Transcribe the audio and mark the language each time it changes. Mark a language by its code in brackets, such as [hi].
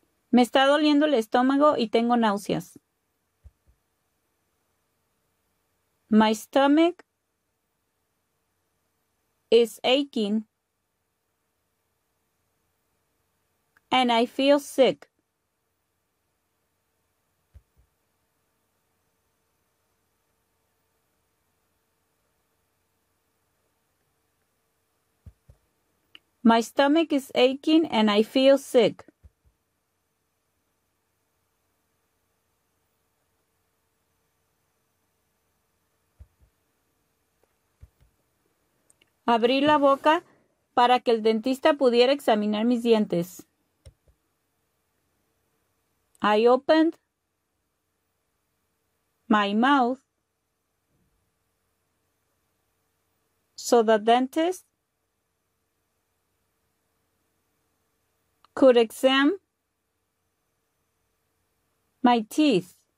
[es] Me está doliendo el estómago y tengo náuseas. [en] My stomach is aching and I feel sick. My stomach is aching and I feel sick. [es] Abrí la boca para que el dentista pudiera examinar mis dientes. [en] I opened my mouth so the dentist could examine my teeth.